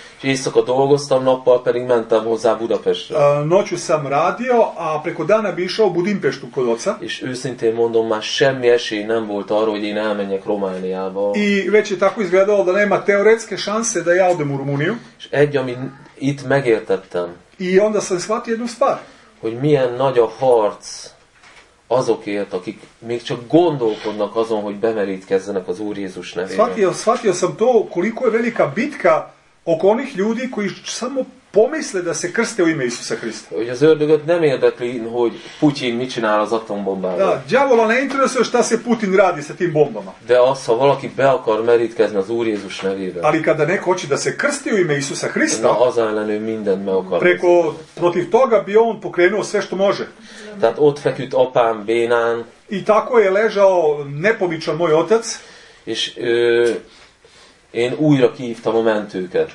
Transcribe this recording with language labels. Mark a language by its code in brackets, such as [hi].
[hu] És éjszaka dolgoztam, nappal pedig mentem hozzá Budapestre. [sr] Noću sam radio, a preko dana bi išao Budimpestu kod oca. [hu] És őszintén mondom, már semmi esély nem volt arra, hogy én elmenjek Romániába. [sr] I već je tako izgledalo da nema teoretske šanse da ja odem u Rumuniju. [hu] És egy, ami itt megértettem. [sr] I onda sam shvatio jednu stvar. [hu] Hogy milyen nagy a harc azokért, akik még csak gondolkodnak azon, hogy bemerítkezzenek az Úr Jézus nevére. [sr] Shvatio sam to, koliko je velika bitka oko onih ljudi koji samo pomisle da se krste u ime Isusa Krista. [hu] Hogy az ördögöt nem érdekli, hogy Putin mit csinál az atombombával. [sr] Da, djavola ne interesuje šta se Putin radi sa tim bombama. [hu] De az, ha valaki be akar merítkezni az Úr Jézus nevére. [sr] Ali kada neko hoće da se krsti u ime Isusa Krista. [hu] Na, az ellen ő mindent me akar. [sr] Preko, protiv toga bi on pokrenuo sve što može. [hu] Tehát ott feküdt apám bénán. [sr] I tako je ležao nepomičan moj otac. [hu] És én újra kihívtam a mentőket.